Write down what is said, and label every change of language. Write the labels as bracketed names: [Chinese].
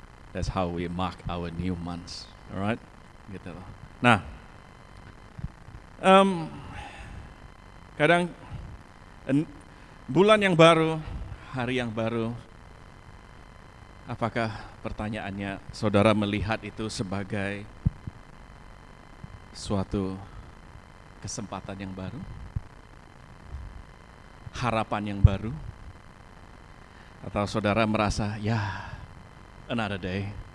[English] That's how we mark our new months. Alright? Gitu loh. [Indonesian] Nah, kadang bulan yang baru, hari yang baru, apakah pertanyaannya saudara melihat itu sebagai suatu kesempatan yang baru? Harapan yang baru? Atau saudara merasa, ya, [English] another day.